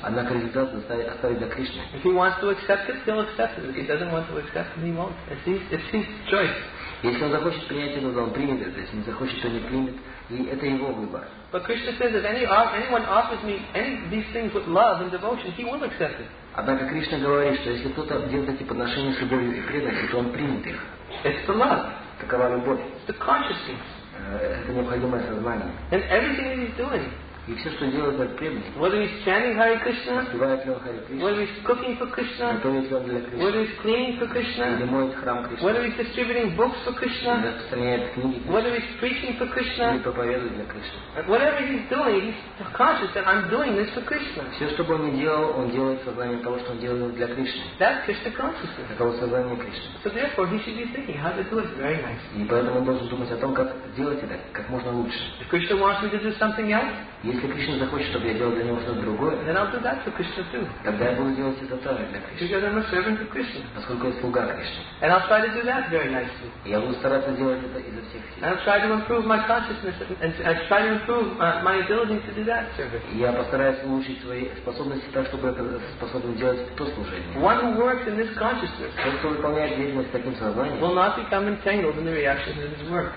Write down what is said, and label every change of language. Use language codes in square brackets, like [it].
[ru] Однако результат оставить за Кришной. [en] If he wants to accept it, he'll accept it. If he doesn't want to accept it, he won't. It's his choice. [ru] Если он захочет принять это, он примет это. Если не захочет, то не примет. И это его выбор. [en] But Krishna says, if anyone offers me any of these things with love and devotion, he will accept it. [ru] Однако Кришна говорит, что если кто-то делает эти подношения с любовью и преданностью, то он примет их. [en] It's the love. [ru] Такова любовь. [en] It's the consciousness. [ru] Это необходимое сознание. [en] And everything that he's doing. [ru] И все, что делает, это преданность. [en] Whether he's chanting Hare Krishna. [ru] Успевает ли он Hare Krishna. [en] Whether he's cooking for Krishna. [ru] Готовит ли он для Кришны. [en] Whether he's cleaning for Krishna. [ru] Или моет храм Кришны. [en] Whether he's distributing books for Krishna. [ru] Или распространяет книги Кришны. [en] Whether he's preaching for Krishna. [ru] Или проповедует для Кришны. [en] Whatever he's doing, he's conscious that I'm doing this for Krishna. [ru] Все, что бы он делает в сознании того, что он делает для Кришны. [en] That's Krishna consciousness. [ru] Таково сознание Кришны. [en] So therefore, he should be thinking how to do it very nicely. [ru] И поэтому он должен думать о том, как делать это как можно лучше. [en] If Krishna wants me to do something else. [ru] Если Кришна захочет, чтобы я делал для него что-то другое, тогда я буду делать это тоже для Кришны. Поскольку я слуга Кришны. Я буду стараться делать это изо всех сил. Я постараюсь улучшить свои способности так, чтобы это способен делать то служение. [en] One who works in this consciousness. [ru] Тот, кто выполняет деятельность с таким сознанием, [en] will not become entangled in the reactions of his work.